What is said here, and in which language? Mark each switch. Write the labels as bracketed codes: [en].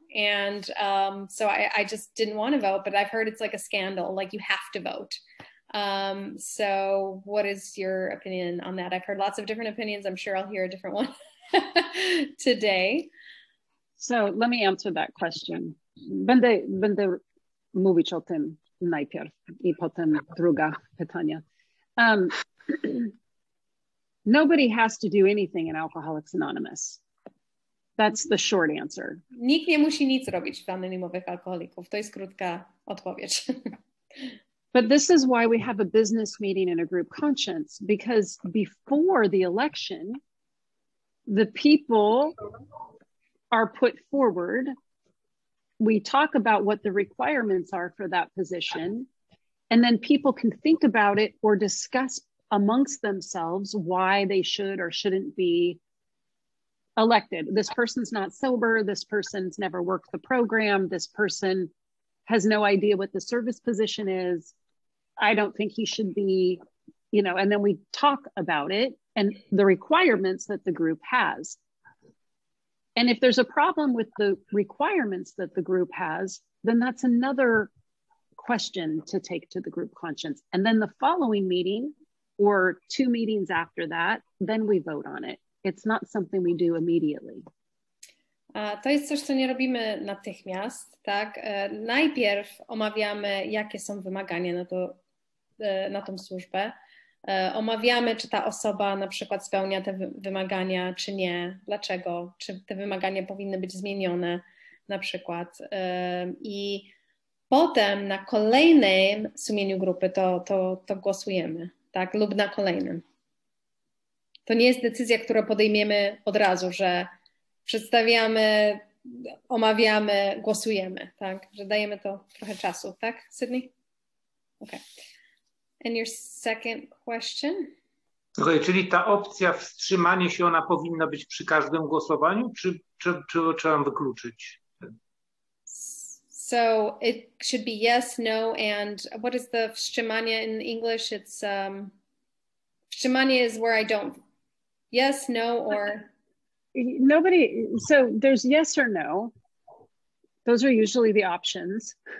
[en] And so I just didn't want to vote, but I've heard it's like a scandal, like you have to vote. So what is your opinion on that? I've heard lots of different opinions. I'm sure I'll hear a different one today. So let me answer that question. [pl] Będę mówić o tym najpierw i potem druga pytania. [en] Nobody has to do anything in Alcoholics Anonymous. That's the short answer. [pl] Nikt nie musi nic robić w anonimowych alkoholików. To jest krótka odpowiedź. [en] But this is why we have a business meeting and a group conscience, because before the election, the people are put forward. We talk about what the requirements are for that position, and then people can think about it or discuss amongst themselves why they should or shouldn't be elected. This person's not sober. This person's never worked the program. This person has no idea what the service position is. I don't think he should be, you know, and then we talk about it and the requirements that the group has. And if there's a problem with the requirements that the group has, then that's another question to take to the group conscience. And then the following meeting or two meetings after that, then we vote on it. It's not something we do immediately. [pl] To jest coś, co nie robimy natychmiast, tak? Najpierw omawiamy, jakie są wymagania na tą służbę. Omawiamy, czy ta osoba na przykład spełnia te wymagania, czy nie. Dlaczego? Czy te wymagania powinny być zmienione na przykład. I potem na kolejnym sumieniu grupy to głosujemy, tak? Lub na kolejnym. To nie jest decyzja, którą podejmiemy od razu, że przedstawiamy, omawiamy, głosujemy, tak? Że dajemy to trochę czasu, tak, Sydney? Okej. [en] And your second question? [pl] Słuchaj, czyli ta opcja wstrzymanie się, ona powinna być przy każdym głosowaniu, czy trzeba wykluczyć? [en] So it should be yes, no, and what is the wstrzymanie in English? It's wstrzymanie is where I don't, yes, no, or? Nobody, so there's yes or no. Those are usually the options.